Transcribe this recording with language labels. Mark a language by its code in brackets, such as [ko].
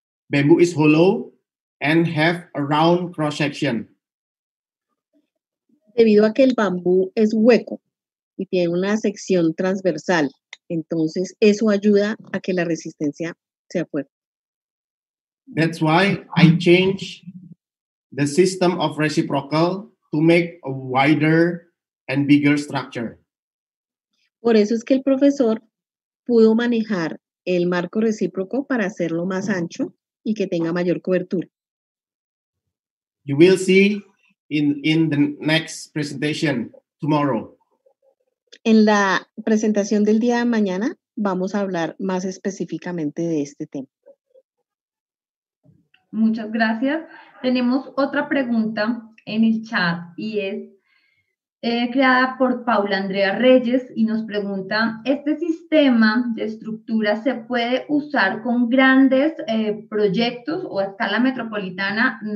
[en] Bamboo is hollow and have a round cross-section. [es] Debido a que el bambú es hueco y tiene una sección transversal, entonces eso ayuda a que la resistencia sea fuerte. [en] That's why I changed the system of reciprocal to make a wider and bigger structure. [es] Por eso es que el profesor pudo manejar el marco recíproco para hacerlo más ancho y que tenga mayor cobertura. [en] You will see in the next presentation tomorrow. [es] En la presentación del día de mañana vamos a hablar más específicamente de este tema. Muchas gracias. Tenemos otra pregunta en el chat y es creada por Paula Andrea Reyes y nos pregunta, ¿este sistema de estructura se puede usar con grandes proyectos o a escala metropolitana?